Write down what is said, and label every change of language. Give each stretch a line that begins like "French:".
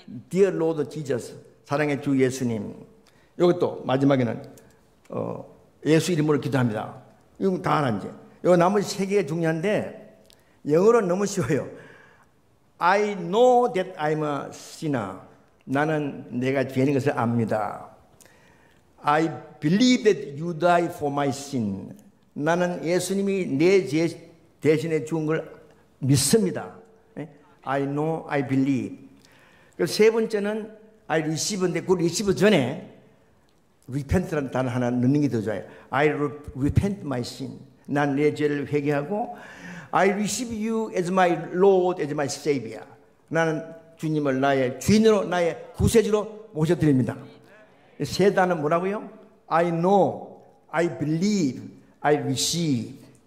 English: Dear Lord Jesus,
Korean: 사랑의 주 예수님. 이것도 마지막에는 예수 이름으로 기도합니다. 이건 다 하나 이제. 이거 나머지 세 개가 중요한데 영어로는 너무 쉬워요.
English: I know that I'm a sinner.
Korean: 나는 내가 죄인인 것을 압니다.
English: I believe that you died for my sin.
Korean: 나는 예수님이 내 죄 대신에 죽은 걸 믿습니다.
English: I know, I believe.
Korean: 세 번째는 I receive, 근데 그 receive 전에 repent라는 단어 하나 넣는 게 더 좋아요.
English: I repent my sin.
Korean: 난 내 죄를 회개하고
English: I receive you as my Lord, as my Savior.
Korean: 나는 주님을 나의 주인으로, 나의 구세주로 모셔드립니다. 세 단어는 뭐라고요?
English: I know, I believe, I receive.